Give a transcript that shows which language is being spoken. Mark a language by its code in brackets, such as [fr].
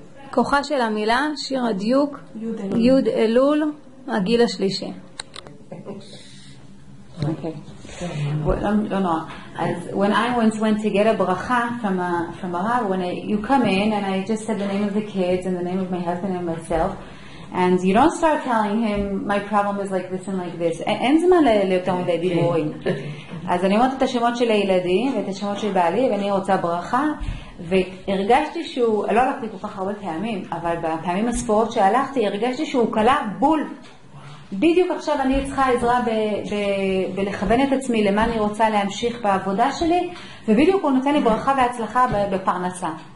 [he] כוחה של המילה, שיר הדיוק, יוד אלול, הגיל השלישי. [en] When I once went to get a bracha from a rav, when you come in and I just said the name of the kids and the name of my husband and myself, and you don't start telling him my problem is like this and like this. [he] אין זמן ליותר מדי דיבורים. אז אני אומרת את השמות של הילדים ואת השמות של בעלי, ואני רוצה ברכה. והרגשתי שהוא, לא הלכתי כל כך הרבה פעמים, אבל בפעמים הספורות שהלכתי, הרגשתי שהוא קלה בול. בדיוק עכשיו אני צריכה עזרה בלכוון את עצמי למה אני רוצה להמשיך בעבודה שלי, ובדיוק הוא נותן לי ברכה והצלחה בפרנסה.